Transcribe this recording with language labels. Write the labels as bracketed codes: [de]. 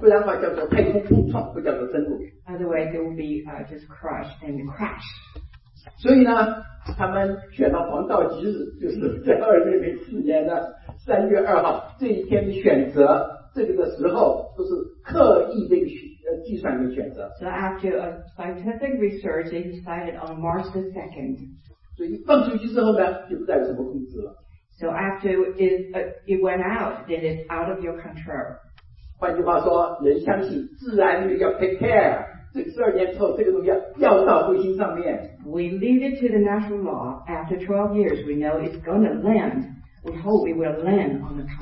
[zh] 不然的话叫做太空碰撞，不叫做登陆。 [en] Otherwise, it will be just crush and crash. [zh] 所以呢，他们选了黄道吉日，就是在2004年3月2号这一天的选择，这个的时候都是刻意的计算的选择。 [en] So after a scientific research, they decided on March 2nd. [zh] 所以放出去之后呢，就不再有什么控制了。 [en] So after it went out, then it's out of your control. [zh] 换句话说，人相信自然要 [en] take care. [zh] 这个十二年之后，这个东西要到彗星上面。 [en] We leave it to the natural law. After 12 years, we know it's going to land. We hope it will land on the comet.